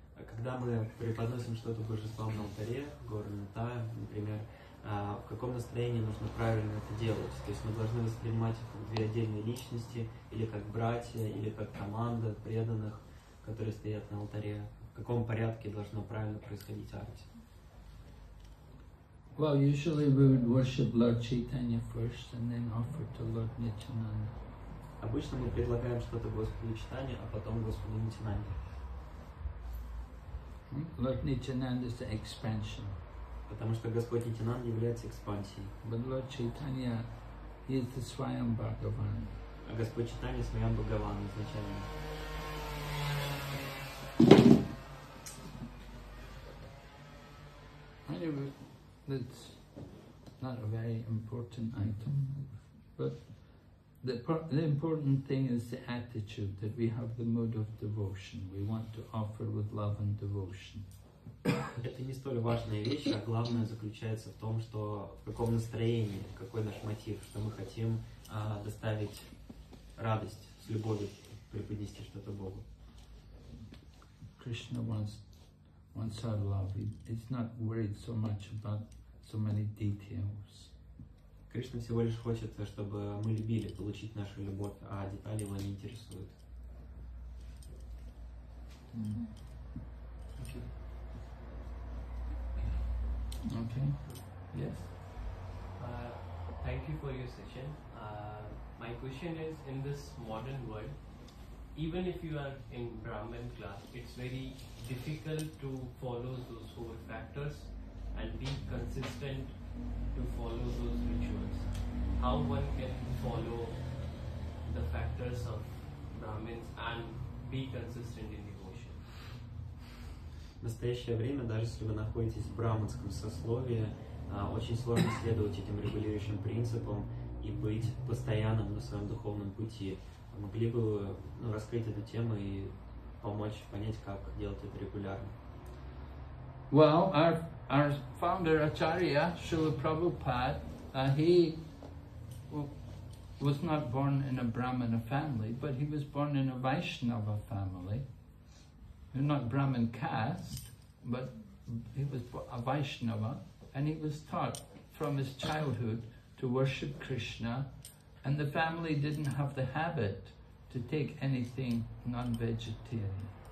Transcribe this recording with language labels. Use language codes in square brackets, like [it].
[ru] Когда мы преподносим что-то божеству на алтаре, Горнитая, например, в каком настроении нужно правильно это делать? То есть мы должны воспринимать их как две отдельные личности, или как братья, или как команда преданных, которые стоят на алтаре. В каком порядке должно правильно происходить арти? [en] Well, usually we would worship Lord Chaitanya first and then offer to Lord Nityananda. [ru] Обычно мы предлагаем что-то Господу Чайтанье, а потом Господу Нитьянанде. [en] Lord Nityananda is the expansion. [ru] Потому что Господь Нитьянанда является экспансией. [en] But Lord Chaitanya is the Swayam Bhagavan. [ru] А Господь Чайтанья – Свайам Бхагаван изначально. [en] Anyway, that's not a very important item, but the important thing is the attitude that we have the mood of devotion. We want to offer with love and devotion. [ru] Это не столь важная вещь, а главное заключается в том, что в каком настроении, какой наш мотив, что мы хотим доставить радость, с любовью преподнести что-то Богу. [en] Krishna wants our love. He's not worried so much about so many details. [ru] Кришна всего лишь хочет, чтобы мы любили, получить нашу любовь, а детали его не интересуют. [en] Okay. Yes. Thank you for your session. My question is, in this modern world, even if you are in Brahman class, it's very difficult to follow those four factors and be consistent to follow those rituals. How one can follow the factors of Brahmins and be consistent in devotion? [ru] В настоящее время, даже если вы находитесь в брахманском сословии, очень сложно следовать этим регулирующим принципам и быть постоянным на своем духовном пути. Могли бы раскрыть эту тему и помочь понять, как делать это регулярно. [en] Well, our founder Acharya Srila Prabhupada, he was not born in a Brahmana family, but he was born in a Vaishnava family. Not Brahmin caste, but he was a Vaishnava, and he was taught from his childhood to worship Krishna, and the family didn't have the habit to take anything non-vegetarian.